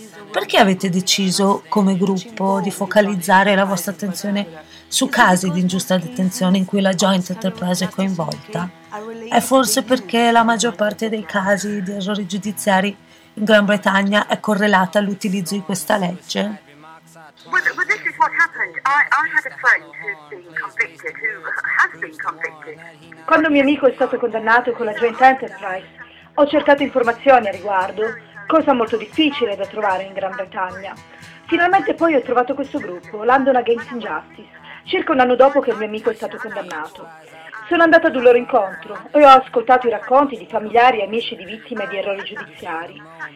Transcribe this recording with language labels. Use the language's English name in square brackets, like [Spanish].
[Italian] Perché avete deciso come gruppo di focalizzare la vostra attenzione su casi di ingiusta detenzione in cui la Joint Enterprise è coinvolta? È forse perché la maggior parte dei casi di errori giudiziari in Gran Bretagna è correlata all'utilizzo di questa legge? [English] Well, this is what happened. I had a friend who's been convicted, who has been convicted. [Italian] Quando mio amico è stato condannato con la Joint Enterprise, ho cercato informazioni a riguardo, cosa molto difficile da trovare in Gran Bretagna. Finalmente poi ho trovato questo gruppo, London Against Injustice, circa un anno dopo che il mio amico è stato condannato. Sono andata ad un loro incontro e ho ascoltato i racconti di familiari e amici di vittime di errori giudiziari.